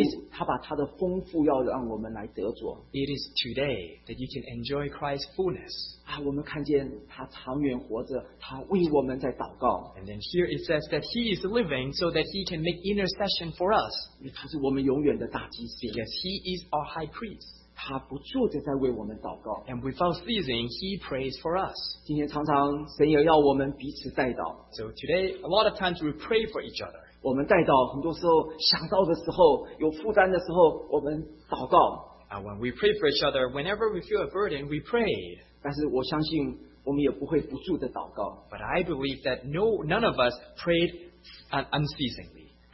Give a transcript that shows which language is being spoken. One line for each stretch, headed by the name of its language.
English: It is today that you can enjoy Christ's fullness.
Chinese: 啊, 我们看见他长远活着,
English: and then here it says that He is living so that He can make intercession for us. Because He is our high priest. And without ceasing, He prays for us. So today, a lot of times we pray for each other.
Chinese: 我们带到很多时候想到的时候有负担的时候 我们祷告
English: When we pray for each other, whenever we feel a burden, we pray.
Chinese: 但是我相信我们也不会不住地祷告
English: But I believe that none of us prayed unceasingly.